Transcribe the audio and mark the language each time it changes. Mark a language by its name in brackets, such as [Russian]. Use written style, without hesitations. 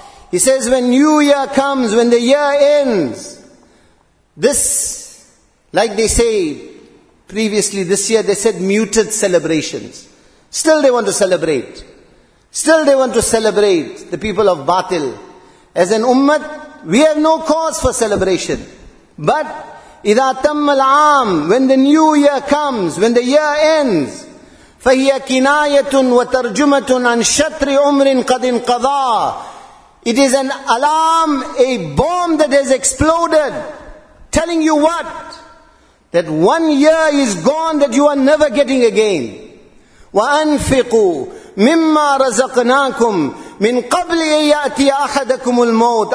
[English] He says, when new year comes, when the year ends, this, like they say previously, this year they said muted celebrations. Still they want to celebrate. Still they want to celebrate the people of Batil. As an ummah, we have no cause for celebration. But [Arabic] إِذَا تَمَّ الْعَامِ, [English] when the new year comes, when the year ends, [Arabic] فَهِيَ كِنَايَةٌ وَتَرْجُمَةٌ عَنْ شَطْرِ عُمْرٍ قَدٍ قَضَىٰ. [English] It is an alarm, a bomb that has exploded, telling you what? That 1 year is gone that you are never getting again. [Arabic] وَأَنْفِقُوا مِمَّا رَزَقْنَاكُمْ مِنْ قَبْلِ يَأْتِيَ أَحَدَكُمُ الْمَوْتِ.